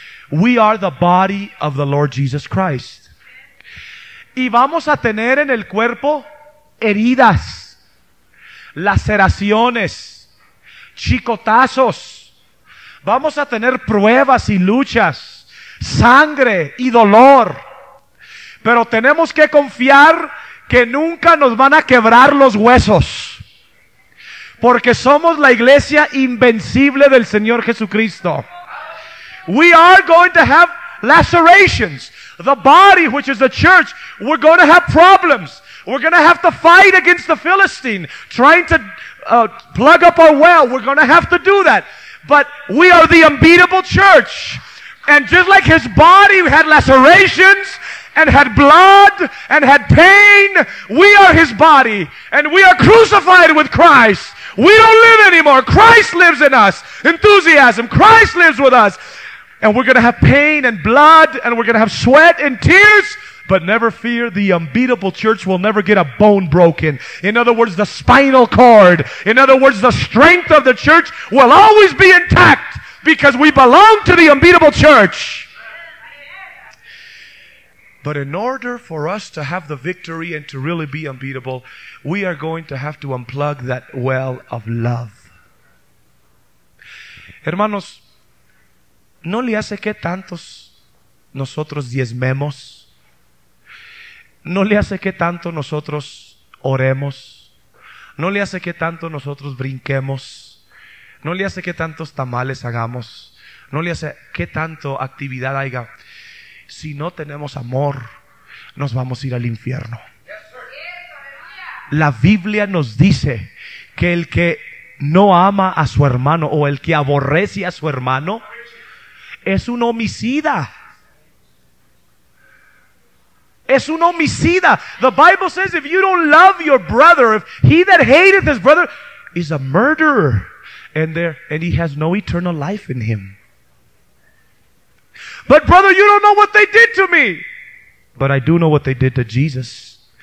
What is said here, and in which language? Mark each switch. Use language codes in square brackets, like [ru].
[en] We are the body of the Lord Jesus Christ. [es] Y vamos a tener en el cuerpo heridas, laceraciones, chicotazos. Vamos a tener pruebas y luchas, sangre y dolor. Pero tenemos que confiar que nunca nos van a quebrar los huesos. Porque somos la iglesia invencible del Señor Jesucristo. [en] We are going to have lacerations. The body, which is the church, we're going to have problems. We're going to have to fight against the Philistine, trying to plug up our well. We're going to have to do that. But we are the unbeatable church. And just like his body had lacerations and had blood and had pain, we are his body and we are crucified with Christ. We don't live anymore. Christ lives in us. Enthusiasm. Christ lives with us. And we're going to have pain and blood and we're going to have sweat and tears. But never fear, the unbeatable church will never get a bone broken. In other words, the spinal cord. In other words, the strength of the church will always be intact. Because we belong to the unbeatable church. But in order for us to have the victory and to really be unbeatable, we are going to have to unplug that well of love. [es] Hermanos, ¿no le hace que tantos nosotros diezmemos? ¿No le hace que tanto nosotros oremos? ¿No le hace que tanto nosotros brinquemos? ¿No le hace que tantos tamales hagamos? ¿No le hace que tanto actividad haya? Si no tenemos amor, nos vamos a ir al infierno. La Biblia nos dice que el que no ama a su hermano o el que aborrece a su hermano es un homicida. Es un homicida. [en] The Bible says if you don't love your brother, if he that hateth his brother is a murderer. And he has no eternal life in him. But brother, you don't know what they did to me. But I do know what they did to Jesus.